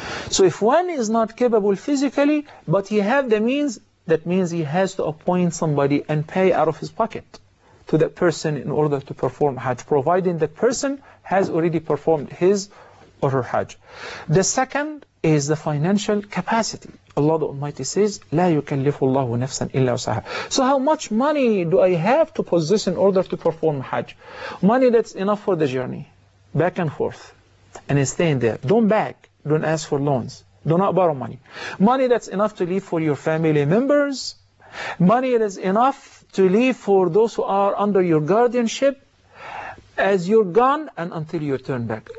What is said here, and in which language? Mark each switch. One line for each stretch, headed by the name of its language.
English: So if one is not capable physically, but he have the means, that means he has to appoint somebody and pay out of his pocket to that person in order to perform Hajj, providing the person has already performed his or her Hajj. The second is the financial capacity.
Arabic: Allah the Almighty says, لا يكلف الله نفسا إلا وسعها.
English: So how much money do I have to possess in order to perform Hajj? Money that's enough for the journey, back and forth, and staying there. Don't beg. Don't ask for loans. Do not borrow money. Money that's enough to leave for your family members. Money that is enough to leave for those who are under your guardianship as you're gone and until you turn back.